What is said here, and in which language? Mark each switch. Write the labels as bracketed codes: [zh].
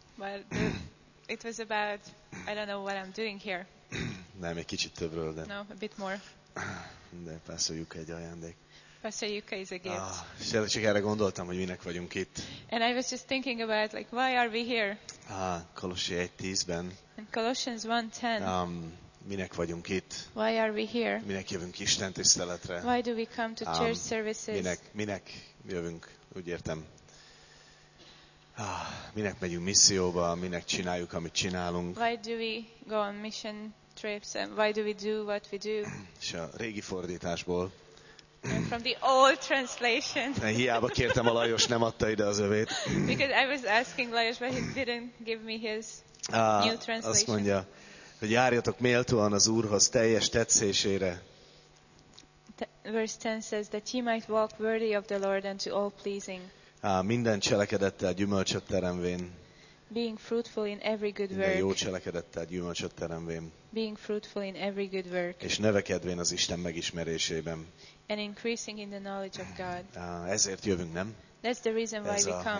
[en] Well, it was about, I don't know what I'm doing here. [hu] Nem, egy kicsit többről, de... [en] No, a bit more. [hu] De Pastor Yuka egy ajándék. [en] Pastor Yuka is a gift. [hu] Ah, csak erre gondoltam, hogy minek vagyunk itt. [en] And I was just thinking about, like, why are we here? [hu] Ah, Kolossi 1.10-ben. [en] And Colossians 1.10. [hu] Minek vagyunk itt? [en] Why are we here? [hu] Minek jövünk Isten tiszteletre? [en] Why do we come to church services? [hu] Minek jövünk, úgy értem. Minek megyünk misszióba, minek csináljuk, amit csinálunk. [en] Why do we go on mission trips and why do we do what we do? [hu] És a régi fordításból. [en] And from the old translation. [hu] Hiába kértem a Lajos, nem adta ide az övét. [en] Because I was asking Lajos, but he didn't give me his new translation. [hu] Azt mondja, hogy járjatok méltóan az Úrhoz teljes tetszésére. [en] Verse 10 says that ye might walk worthy of the Lord and to all pleasing. [hu] Minden cselekedettel gyümölcsöt teremvén. [en] Being fruitful in every good work. [hu] Minden jó cselekedettel gyümölcsöt teremvén. [en] Being fruitful in every good work. [hu] És növekedvén az Isten megismerésében. [en] And increasing in the knowledge of God. [hu] Ezért jövünk, nem? [en] That's the reason why we come.